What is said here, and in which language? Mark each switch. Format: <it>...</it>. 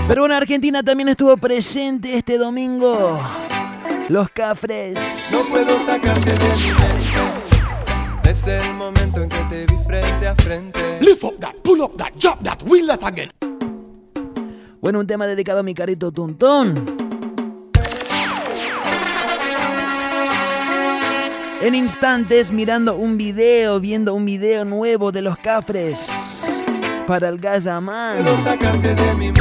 <es>Pero bueno, Argentina también estuvo presente este domingo. Los Cafres. No puedo sacarte de mi mente. Es el momento en que te vi frente a frente.</es> <en>Lift up that, pull up that, drop that, wheel that again.</en> <es>Bueno, un tema dedicado a mi carito Tuntún. En instantes, mirando un video, viendo un video nuevo de Los Cafres para el Gazamán. Puedo sacarte de mi mente.</es>